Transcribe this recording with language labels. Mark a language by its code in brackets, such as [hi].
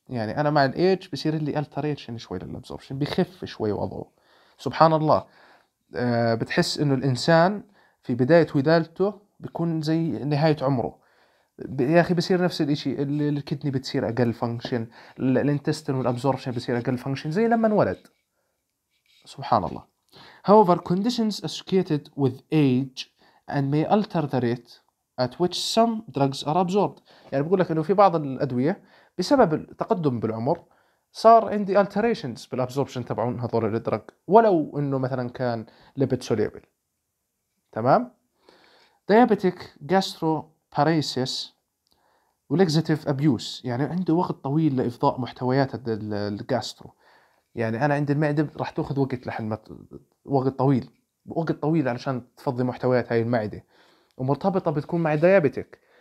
[ar] يعني أنا مع الأيج بصير لي alteration شوي للأبزوربشن، بخف شوي وضعه. سبحان الله، بتحس إنه الإنسان في بداية ولادته بيكون زي نهاية عمره يا أخي، بصير نفس الإشي. الكدني بتصير أقل فانكشن، الانتستين والأبزوربشن بصير أقل فانكشن زي لما انولد. سبحان الله. [en] However, conditions associated with age and may alter the rate at which some drugs are absorbed. [ar] يعني بقول لك إنه في بعض الأدوية بسبب التقدم بالعمر صار عندي alterations بالأبزوربشن تبعون هذول الدرج، ولو إنه مثلا كان lipid soluble تمام. [en] diabetic gastroparesis [ar] والexative abuse يعني عنده وقت طويل لإفضاء محتويات الجاسترو، يعني أنا عندي المعدة راح تأخذ وقت لحن ما وقت طويل، وقت طويل علشان تفضي محتويات هاي المعدة، ومرتبطة بتكون مع diabetic.